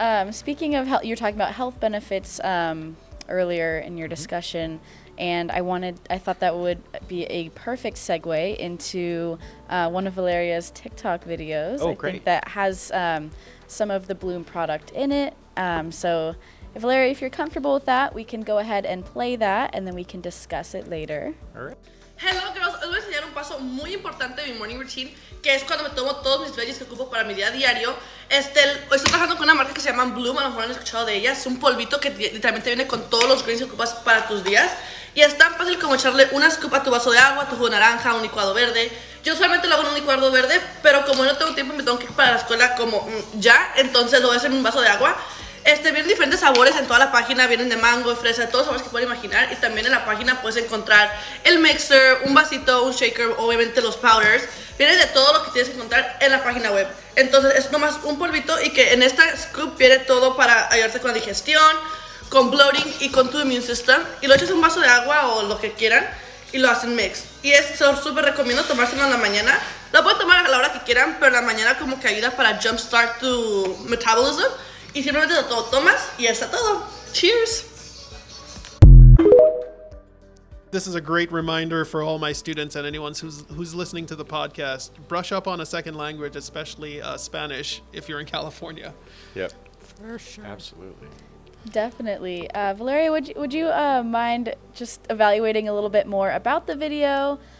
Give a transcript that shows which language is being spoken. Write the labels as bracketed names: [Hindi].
[English] Speaking of health, you were talking about health benefits earlier in your discussion, and I thought that would be a perfect segue into one of Valeria's TikTok videos. Oh, great. I think that has some of the Bloom product in it. So Valeria, if you're comfortable with that, we can go ahead and play that and then we can discuss it later. All right. Hello girls, [Spanish] hoy voy a enseñar un paso muy importante de mi [English] morning routine, [Spanish] que es cuando me tomo todos mis [English] veggies [Spanish] que ocupo para mi día a diario. Estoy trabajando con una marca que se llama Bloom, a lo mejor han escuchado de ella. Es un polvito que literalmente viene con todos los [English] greens [Spanish] que ocupas para tus días. Y es tan fácil como echarle una [English] scoop [Spanish] a tu vaso de agua, tu jugo de naranja, un licuado verde. Yo solamente lo hago en un licuado verde, pero como no tengo tiempo, me tengo que ir para la escuela como ya, entonces lo voy a hacer en un vaso de agua. Vienen diferentes sabores en toda la página, vienen de mango, de fresa, todos los sabores que puedan imaginar. Y también en la página puedes encontrar el [English] mixer, [Spanish] un vasito, un [English] shaker, [Spanish] obviamente los [English] powders. [Spanish] Vienen de todo lo que tienes que encontrar en la página web. Entonces es nomás un polvito y que en esta [English] scoop [Spanish] viene todo para ayudarte con la digestión, con [English] bloating [Spanish] y con tu [English] immune system. [Spanish] Y lo echas en un vaso de agua o lo que quieran y lo hacen [English] mix. [Spanish] Y es súper recomiendo tomárselo en la mañana. Lo puedes tomar a la hora que quieran, pero en la mañana como que ayuda para [English] jumpstart [Spanish] tu [English] metabolism. [Spanish] Y simplemente lo tomas y ya está todo. [English] Cheers. This is a great reminder for all my students and anyone who's listening to the podcast. Brush up on a second language, especially Spanish, if you're in California. Yep. For sure. Absolutely. Definitely. Valeria, would you mind just evaluating a little bit more about the video?